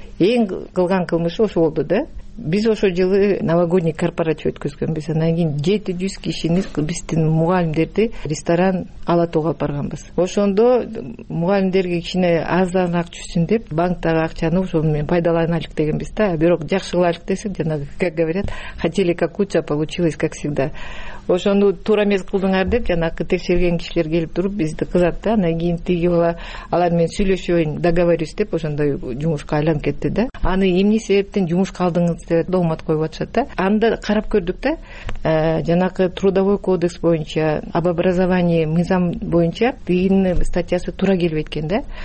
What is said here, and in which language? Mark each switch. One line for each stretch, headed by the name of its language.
Kyrgyz: Эң кылган кылмышы ошо болду да. Биз ошол жылы новогодний корпоратив өткөзгөнбүз, анан кийин 700 кишини биздин мугалимдерди ресторан Ала Тоого алып барганбыз. Ошондо мугалимдерге кичине аздан акчусун деп банктагы акчаны ошону менен пайдаланалык дегенбиз да. Бирок жакшы кылалык десе жана
Russian: как говорят, хотели как лучше, а получилось как всегда.
Kyrgyz: Ошону туура эмес кылдыңар деп жанакы текшерген кишилер келип туруп бизди кызат да, анан кийин тиги бала алар менен сүйлөшөйүн, договорюсь деп ошондой жумушка айланып кетти да. Аны эмне себептен жумушка алдыңыз деп доомат коюп атышат да. Анда карап көрдүк да, жанакы трудовой кодекс боюнча, об образовании мыйзам боюнча тигинин статьясы туура келбейт экен да.